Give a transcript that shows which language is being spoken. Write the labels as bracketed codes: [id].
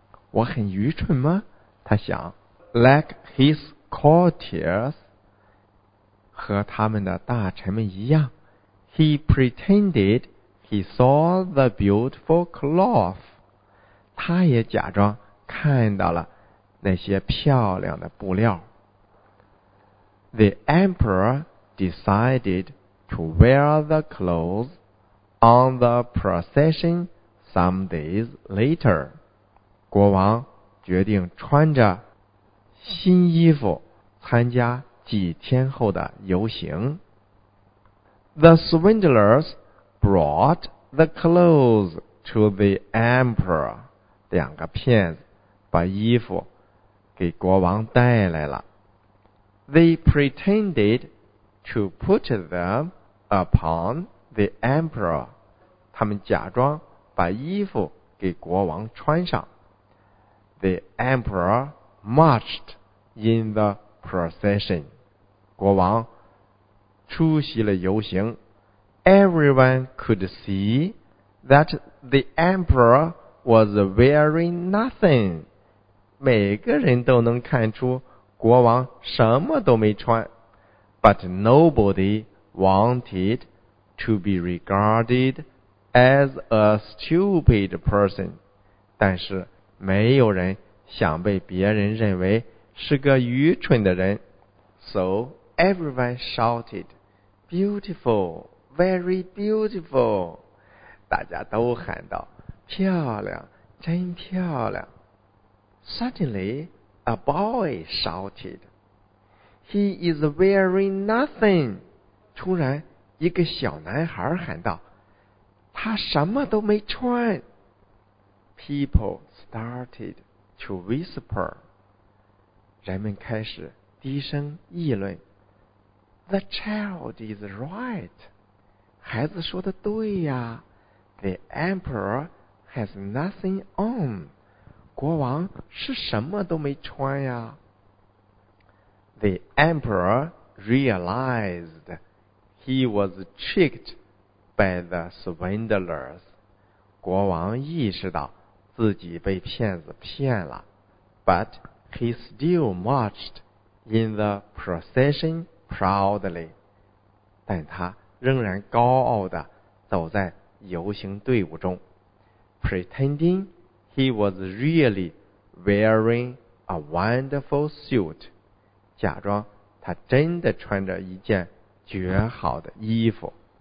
[zh] 我很愚蠢吗？他想。 [en] Like his courtiers, [zh] 和他们的大臣们一样， [en] he pretended he saw the beautiful cloth. [zh] 他也假装看到了那些漂亮的布料。 [en] The emperor decided to wear the clothes on the procession some days later. [zh] 国王决定穿着新衣服参加几天后的游行。 [en] The swindlers brought the clothes to the emperor. [zh] 两个骗子把衣服给国王带来了。 [en] They pretended to put them upon the emperor. [zh] 他们假装把衣服给国王穿上。 [en] The emperor marched in the procession. [zh] 国王出席了游行。 [en] Everyone could see that the emperor was wearing nothing. [zh] 每个人都能看出国王什么都没穿。 [en] But nobody wanted to be regarded as a stupid person. [zh] 但是没有人想被别人认为是个愚蠢的人。 [en] So everyone shouted, beautiful, very beautiful. [zh] 大家都喊道，漂亮，真漂亮。 [en] Suddenly, a boy shouted, he is wearing nothing. [zh] 突然，一个小男孩喊道，他什么都没穿。 [en] People started to whisper. [zh] 人们开始低声议论。 [en] The child is right. [zh] 孩子说的对呀。 [en] The emperor has nothing on. [zh] 国王是什么都没穿呀。 [en] The emperor realized he was tricked by the swindlers. [zh] 国王意识到自己被骗子骗了。 [en] But he still marched in the procession proudly. [zh] 但他仍然高傲地走在游行队伍中。 [en] Pretending he was really wearing a wonderful suit. [zh] 假装他真的穿着一件绝好的衣服。